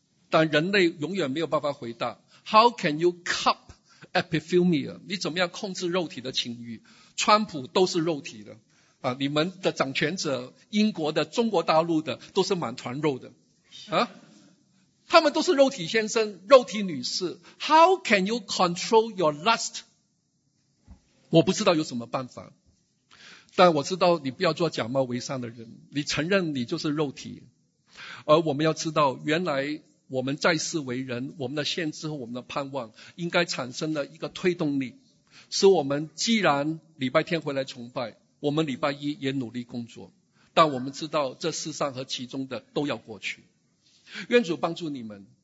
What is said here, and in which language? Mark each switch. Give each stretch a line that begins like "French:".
Chinese: 但人类永远没有办法回答
English: How can you cupEpiphilmia，
Chinese: 你怎么样控制肉体的情欲？川普都是肉体的啊，你们的掌权者英国的中国大陆的都是满团肉的啊，他们都是肉体先生肉体女士。
English: How can you control your lust？
Chinese: 我不知道有什么办法，但我知道你不要做假冒为善的人，你承认你就是肉体。而我们要知道，原来我们在世为人，我们的限制和我们的盼望应该产生了一个推动力，使我们既然礼拜天回来崇拜，我们礼拜一也努力工作，但我们知道这世上和其中的都要过去。愿主帮助你们。